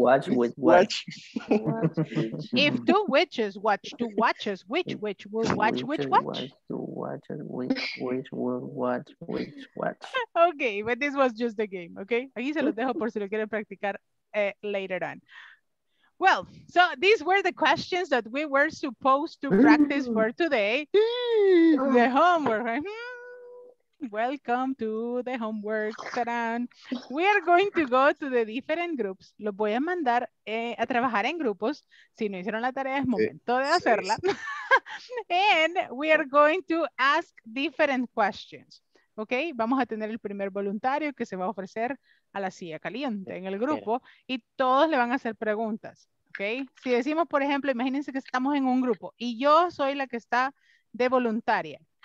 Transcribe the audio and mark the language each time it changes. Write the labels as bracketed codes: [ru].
[en] If two witches watch two watches, which will watch which watch? Okay, but this was just the game, okay? [es] Aquí se los dejo por si lo quieren practicar [en] later on. Well, so these were the questions that we were supposed to practice for today. The homework, right? Welcome to the homework. Tarán. We are going to go to the different groups. [es] Los voy a mandar a trabajar en grupos. Si no hicieron la tarea, es momento de hacerla. [en] And we are going to ask different questions. [es] Ok, vamos a tener el primer voluntario que se va a ofrecer a la silla caliente en el grupo y todos le van a hacer preguntas. Ok, si decimos, por ejemplo, imagínense que estamos en un grupo y yo soy la que está de voluntaria.